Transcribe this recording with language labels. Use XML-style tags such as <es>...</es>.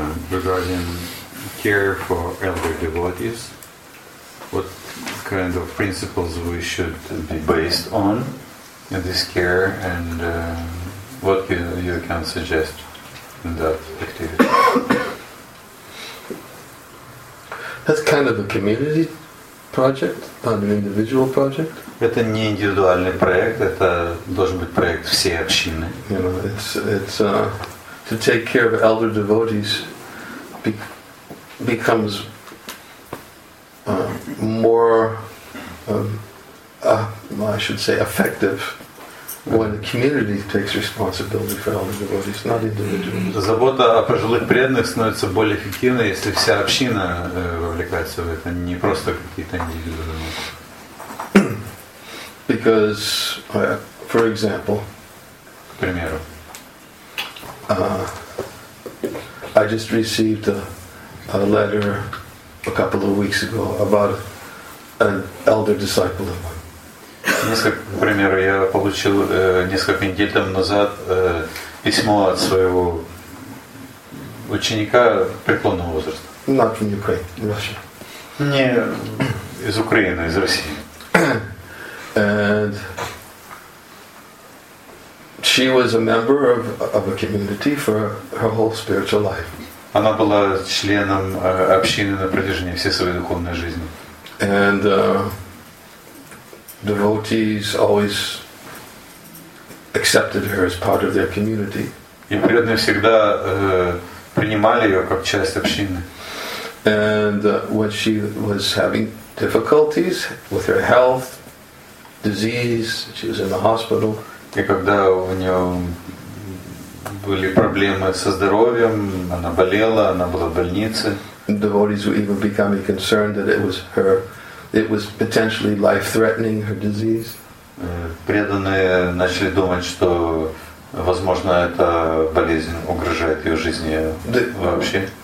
<en>Regarding care for elder devotees, what kind of principles we should be based on in this care, and what you can suggest in that activity? That's kind of a community project, not an individual project.</en> <ru>Это не индивидуальный проект, это должен быть проект всей общины.</ru> <en>You know, it's to take care of elder devotees becomes more, I should say, effective when the community takes responsibility for elder devotees, not individuals.</en> <ru>Забота о пожилых преданных становится более эффективной, если вся община вовлекается в это, не просто какие-то индивидуумы.</ru> <en>Because, for example,</en> <ru>к примеру,</ru> <en>I just received a letter a couple of weeks ago about an elder disciple of mine.</en> <ru>Несколько, к примеру, я получил несколько недель тому назад письмо от своего ученика преклонного возраста.</ru> <en>Not from Ukraine, Russia.</en> <ru>Не из Украины, из России.</ru> <en>And she was a member of a community for her whole spiritual life.</en> <ru>Она была членом общины на протяжении всей своей духовной жизни.</ru> <en>And devotees always accepted her as part of their community.</en> <ru>И преданные всегда принимали ее как часть общины.</ru> <en>And when she was having difficulties with her health, disease, she was in the hospital.</en> <ru>И когда у нее были проблемы со здоровьем, она болела, она была в больнице.</ru> <en>Devotees were even becoming concerned that it was potentially life-threatening, her disease.</en> <ru>Преданные начали думать, что, возможно, эта болезнь угрожает ее жизни вообще.</ru>